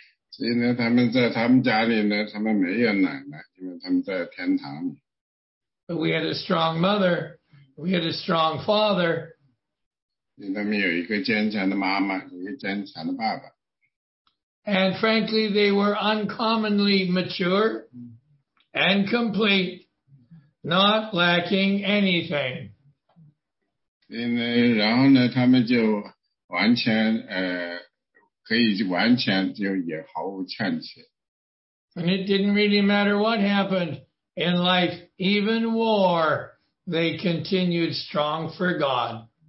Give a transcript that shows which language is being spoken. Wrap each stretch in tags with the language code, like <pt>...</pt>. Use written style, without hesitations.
<zh>所以呢，他们在他们家里呢，他们没有奶奶，因为他们在天堂。</zh> <en>But we had a strong mother, we had a strong father.</en> <zh>他们有一个坚强的妈妈，一个坚强的爸爸。</zh> <en>And frankly, they were uncommonly mature and complete, not lacking anything.</en> <zh>然后呢，他们就完全 可以完全就也毫无欠缺。</zh> <en>And it didn't really matter what happened in life, even war, they continued strong for God.</en>